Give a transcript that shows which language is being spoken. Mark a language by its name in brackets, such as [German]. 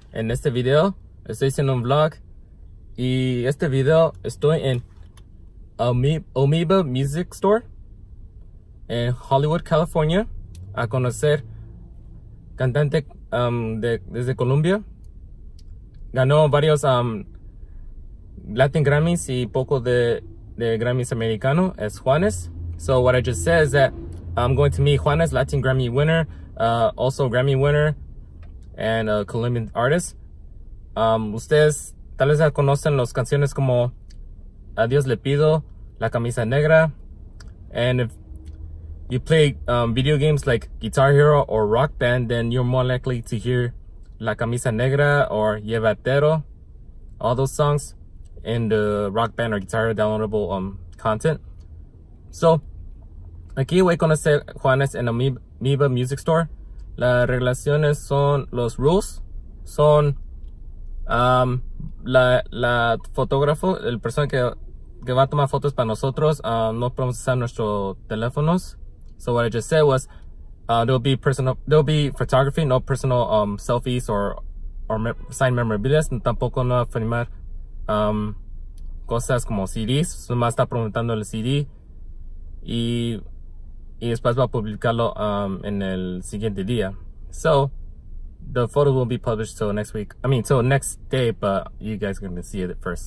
[Spanish] En este video estoy haciendo un vlog y este video estoy en Amoeba Music Store en Hollywood, California, a conocer cantante desde Colombia. Ganó varios Latin Grammys y poco de Grammys americano, es Juanes. [English] So what I just said is that I'm going to meet Juanes, Latin Grammy winner, also Grammy winner and a Colombian artist. [Spanish] Ustedes tal vez ya conocen las canciones como A Dios Le Pido, La Camisa Negra. [English] And if you play video games like Guitar Hero or Rock Band, then you're more likely to hear La Camisa Negra or Llevatero, all those songs in the Rock Band or Guitar Hero downloadable content. [Spanish] So aquí voy a conocer Juanes en Amoeba Music Store. Las relaciones son, los rules son, la fotógrafo, el persona que va a tomar fotos para nosotros, no podemos usar nuestros teléfonos. [English] So what I just said was, there'll be photography, no personal selfies or signed memorabilia. [Spanish] Tampoco no va a firmar cosas como CDs, solo va a estar preguntando el CD y después va a publicarlo en el siguiente día. [English] So the photo won't be published till next week. I mean, till next day, but you guys are gonna see it first.